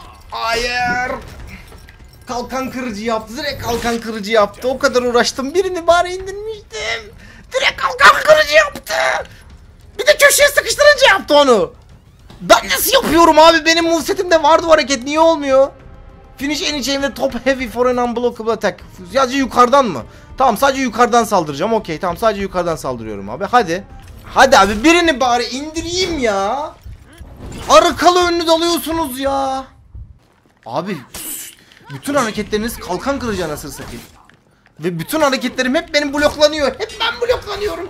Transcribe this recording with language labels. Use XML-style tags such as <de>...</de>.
<tr>Hayır. Kalkan kırıcı yaptı. Direkt kalkan kırıcı yaptı. O kadar uğraştım. Birini bari indirmiştim. Direkt kalkan kırıcı yaptı. Bir de köşeye sıkıştırınca yaptı onu. Ben nasıl yapıyorum abi? Benim movesetimde vardı o hareket. Niye olmuyor?</tr> <en>Finish any chain</en> <tr>ve</tr> <en>top heavy for an unblockable attack.</en> <tr>Sadece yukarıdan mı? Tamam, sadece yukarıdan saldıracağım. Okey, tamam, sadece yukarıdan saldırıyorum abi. Hadi. Hadi abi, birini bari indireyim ya. Arkalı önlü dalıyorsunuz ya. Abi, bütün hareketleriniz kalkan kırıcı anasını satayım. Ve bütün hareketlerim hep benim bloklanıyor. Hep ben bloklanıyorum.</tr>